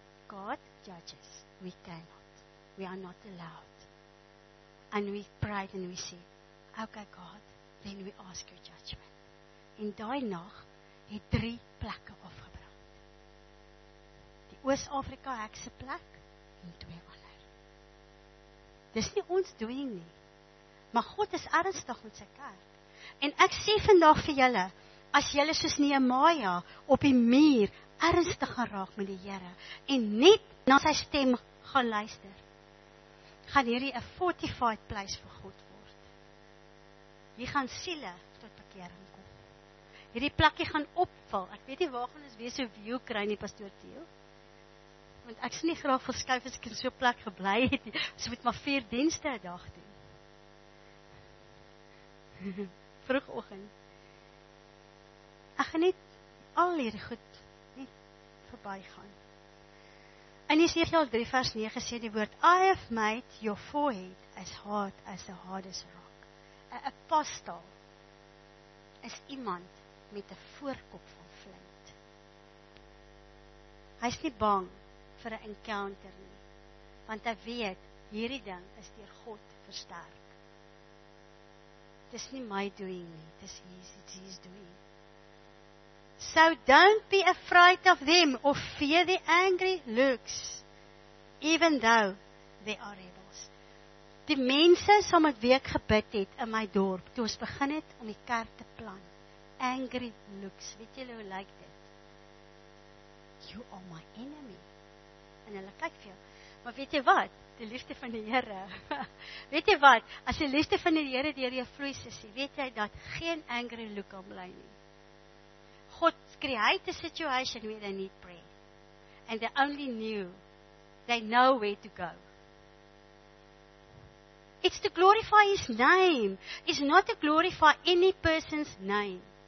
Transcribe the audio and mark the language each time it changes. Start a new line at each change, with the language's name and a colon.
English: God judges, we cannot, we are not allowed. And we pray and we say, okay God, then we ask your judgment.
Afrikaans: En daai nag het 3 plekke afgebrand. Die Oos-Afrika hekse plek en 2 ander. Dis nie ons doing nie. Maar God is ernstig met sy kerk. En ek sê vandag vir julle, as julle soos Nehemia op die muur ernstig gaan raak met die Here en net na sy stem gaan luister, gaan hierdie 'n fortified place vir God word. Hier gaan siele tot bekering. Hierdie plakkie gaan opval. Ek weet nie waar gaan ons weer so view kry nie, pastoor Theo. Want ek sien nie graag verskuif as ek in so 'n plek gebly het nie. Ons moet maar 4 dienste 'n dag doen. Vroegoggend. Ek gaan net al hierdie goed net verbygaan. In Jesaja 3 vers 9 sê die woord,
English: I have made your forehead as hard as the hardest rock.
Afrikaans: 'N apostel is iemand met 'n voorkop van flint. Hy is nie bang vir 'n encounter nie, want hy weet, hierdie ding is deur God versterk. Dit is nie my doing nie, dit is Jesus doing.
English: So don't be afraid of them, or fear the angry looks, even though they are rebels.
Afrikaans: Die mense som het week gebid het in my dorp, toe ons begin het om die kerk te plant. Angry looks. Weet julle hoe lyk dit? You are my enemy. En hulle kyk vir jou. Maar weet jy wat? Die liefde van die Here. Weet jy wat? As die liefde van die Here deur jou vloei, sussie, weet jy dat geen angry look hom bly nie.
English: God create a situation where they need prayer. And they only knew they know where to go. It's to glorify his name. It's not to glorify any person's name.